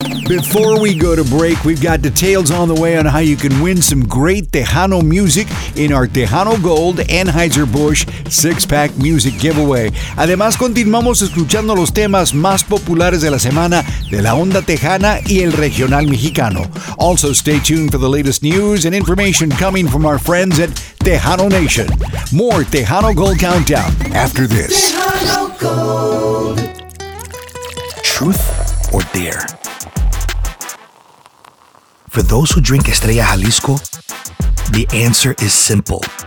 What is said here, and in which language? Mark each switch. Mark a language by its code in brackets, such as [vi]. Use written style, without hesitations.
[en] Before we go to break, we've got details on the way on how you can win some great Tejano music in our Tejano Gold Anheuser-Busch six-pack music giveaway. [es] Además, continuamos escuchando los temas más populares de la semana de la onda tejana y el regional mexicano. [en] Also, stay tuned for the latest news and information coming from our friends at Tejano Nation. More Tejano Gold Countdown after this. Tejano Gold. Truth or dare? For those who drink Estrella Jalisco, the answer is simple.